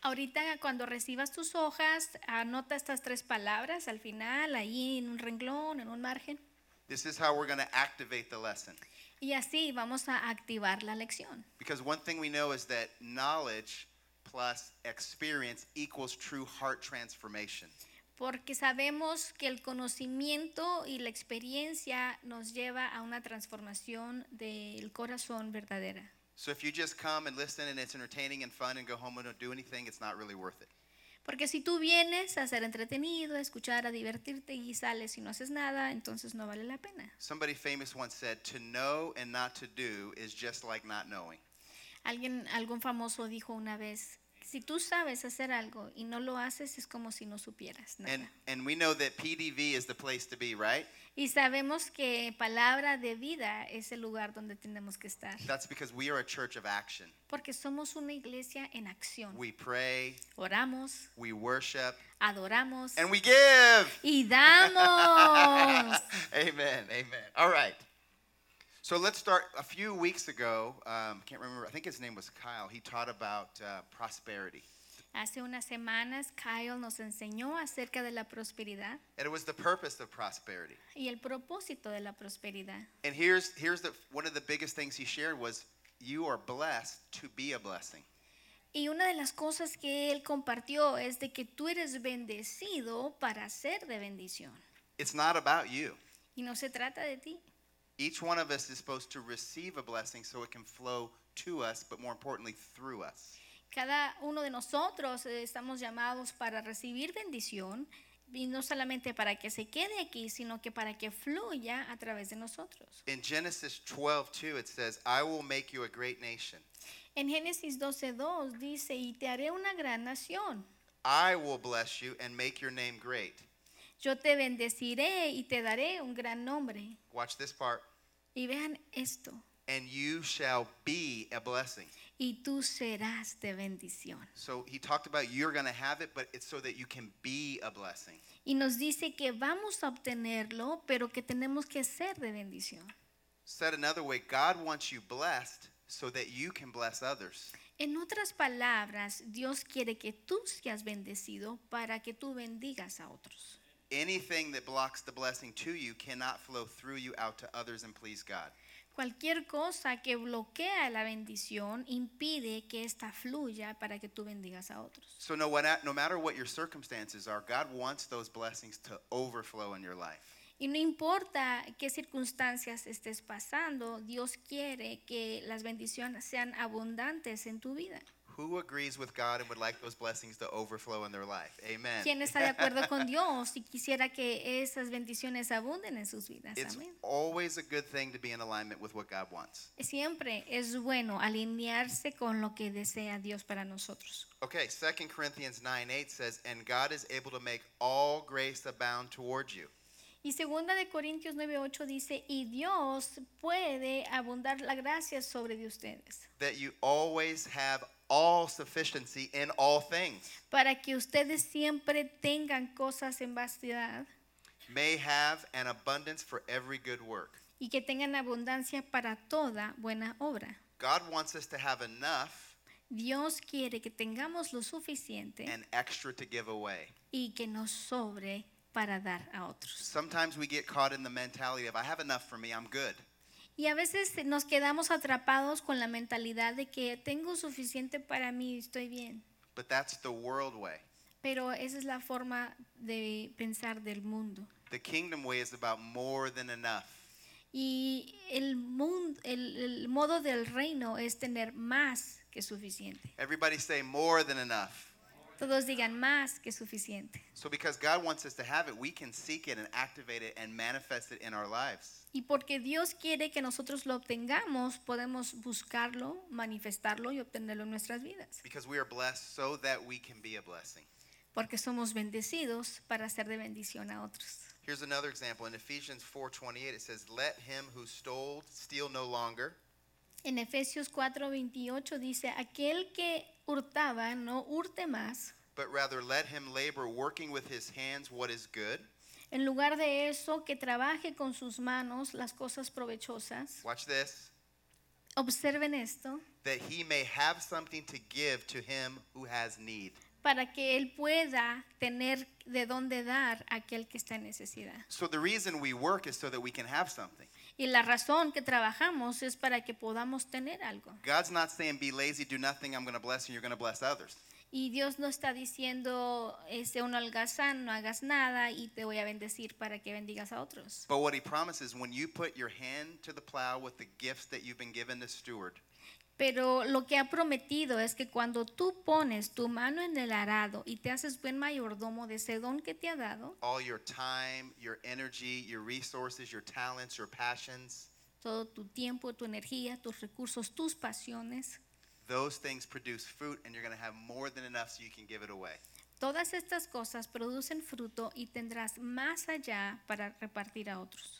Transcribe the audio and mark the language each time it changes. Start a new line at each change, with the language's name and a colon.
Spanish: Ahorita cuando recibas tus hojas, anota estas tres palabras al final, ahí en un renglón, en un margen.
English: This is how we're going to activate the lesson.
Spanish: Y así vamos a activar la lección.
English: Because one thing we know is that knowledge plus experience equals true heart transformation.
Spanish: Porque sabemos que el conocimiento y la experiencia nos lleva a una transformación del corazón verdadera.
English: So if you just come and listen and it's entertaining and fun and go home and don't do anything, it's not really worth it.
Spanish: Porque si tú vienes a ser entretenido, a escuchar, a divertirte y sales y no haces nada, entonces no vale la pena.
English: Somebody famous once said, to know and not to do is just like not knowing.
Spanish: Algún famoso dijo una vez, Si tú sabes hacer algo y no lo haces, es como si no supieras nada.
English: And we know that PDV is the place to be, right?
Spanish: Y sabemos que palabra de vida es el lugar donde tenemos que estar.
English: That's because we are a church of action.
Spanish: Porque somos una iglesia en acción.
English: We pray.
Spanish: Oramos.
English: We worship.
Spanish: Adoramos.
English: And we give.
Spanish: Y damos.
English: Amen. Amen. All right. So let's start. A few weeks ago, can't remember. I think his name was Kyle. He taught about prosperity.
Spanish: Hace unas semanas, Kyle nos enseñó acerca de la prosperidad.
English: And it was the purpose of prosperity.
Spanish: Y el propósito de la prosperidad.
English: And here's the one of the biggest things he shared was, you are blessed to be a blessing.
Spanish: Y una de las cosas que él compartió es de que tú eres bendecido para ser de bendición.
English: It's not about you.
Spanish: Y no se trata de ti.
English: Each one of us is supposed to receive a blessing so it can flow to us, but more importantly, through us.
Spanish: Cada uno de nosotros estamos llamados para recibir bendición, y no solamente para que se quede aquí, sino que para que fluya a través de nosotros.
English: In Genesis 12:2, it says, I will make you a great nation.
Spanish: En Génesis 12:2 dice, y te haré una gran nación.
English: I will bless you and make your name great.
Spanish: Yo te bendeciré y te daré un gran nombre.
English: Watch this part.
Spanish: Y vean esto.
English: And you shall be a blessing.
Spanish: Y tú serás de bendición.
English: So he talked about you're going to have it, but it's so that you can be a blessing.
Spanish: Y nos dice que vamos a obtenerlo, pero que tenemos que ser de bendición.
English: Said another way, God wants you blessed so that you can bless others.
Spanish: En otras palabras, Dios quiere que tú seas bendecido para que tú bendigas a otros.
English: Anything that blocks the blessing to you cannot flow through you out to others and please God.
Spanish: Cualquier cosa que bloquea la bendición impide que esta fluya para que tú bendigas a otros.
English: So no matter what your circumstances are, God wants those blessings to overflow in your life.
Spanish: Y no importa qué circunstancias estés pasando, Dios quiere que las bendiciones sean abundantes en tu vida.
English: Who agrees with God and would like those blessings to overflow in their life? Amen.
Spanish: ¿Quién está de acuerdo con Dios y quisiera que esas bendiciones abunden en sus vidas?
English: It's always a good thing to be in alignment with what God wants.
Spanish: Siempre es bueno alinearse con lo que desea Dios para nosotros.
English: Okay, 2 Corinthians 9:8 says, "And God is able to make all grace abound toward you."
Spanish: Y 2 Corintios 9:8 dice, y Dios puede abundar la gracia sobre de ustedes.
English: That you always have all sufficiency in all things.
Spanish: Para que ustedes siempre tengan cosas en vastidad.
English: May have an abundance for every good work.
Spanish: Y que tengan abundancia para toda buena obra.
English: God wants us to have enough.
Spanish: Dios quiere que tengamos lo suficiente.
English: And extra to give away.
Spanish: Y que nos sobre para dar a otros.
English: Sometimes we get caught in the mentality of I have enough for me, I'm good.
Spanish: Y a veces nos quedamos atrapados con la mentalidad de que tengo suficiente para mí, estoy bien.
English: But that's the world way.
Spanish: Pero esa es la forma de pensar del mundo.
English: The kingdom way is about more than enough.
Spanish: Y el modo del reino es tener más que suficiente.
English: Everybody say more than enough.
Spanish: Todos digan más que suficiente.
English: So because God wants us to have it, we can seek it and activate it and manifest it in our lives.
Spanish: Y porque Dios quiere que nosotros lo obtengamos, podemos buscarlo, manifestarlo y obtenerlo en nuestras vidas.
English: Because we are blessed so that we can be a blessing.
Spanish: Porque somos bendecidos para ser de bendición a otros.
English: Here's another example. In Ephesians 4:28 it says, "Let him who stole steal no longer."
Spanish: En Efesios 4:28 dice, aquel que hurtaba no hurte más.
English: But rather let him labor working with his hands what is good.
Spanish: En lugar de eso, que trabaje con sus manos las cosas provechosas.
English: Watch this.
Spanish: Observen esto.
English: That he may have something to give to him who has need.
Spanish: Para que él pueda tener de dónde dar a aquel que está en necesidad.
English: So the reason we work is so that we can have something.
Spanish: Y la razón que trabajamos es para que podamos tener algo.
English: God's not saying be lazy, do nothing, I'm going to bless you, you're going to bless others.
Spanish: Y Dios no está diciendo, sé un holgazán, no hagas nada y te voy a bendecir para que bendigas a otros.
English: But what he promises, when you put your hand to the plow with the gifts that you've been given to steward.
Spanish: Pero lo que ha prometido es que cuando tú pones tu mano en el arado y te haces buen mayordomo de ese don que te ha dado,
English: all your time, your energy, your resources, your talents, your passions,
Spanish: todo tu tiempo, tu energía, tus recursos, tus pasiones,
English: Those things produce fruit, and you're going to have more than enough so you can give it away.
Spanish: Todas estas cosas producen fruto y tendrás más allá para repartir a otros.